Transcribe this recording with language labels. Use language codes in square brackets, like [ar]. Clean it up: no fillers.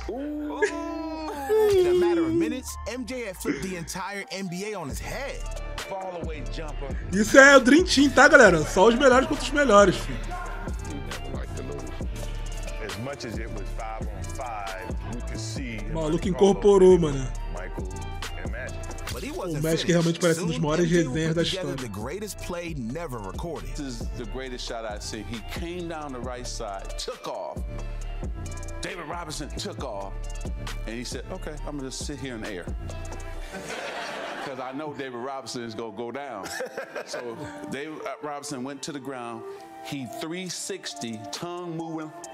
[en] Ooh. In a matter of minutes, MJ had flipped the entire NBA on his head. Fall away jumper. [pt] Isso é o Dream Team, tá, galera? Só os melhores contra os melhores, filho. [en] As much as it was 5-on-5, you can see. [pt] Maluco incorporou, mano. [en] Michael. [pt] O Magic realmente parece um dos maiores resenhas da história. [en] The greatest play never recorded. This is the greatest shot I've seen. He came down the right side, took off. David Robinson took off, and he said, "Okay, I'm gonna just sit here in the air because I know David Robinson is gonna go down." So David Robinson went to the ground. He 360, tongue moving.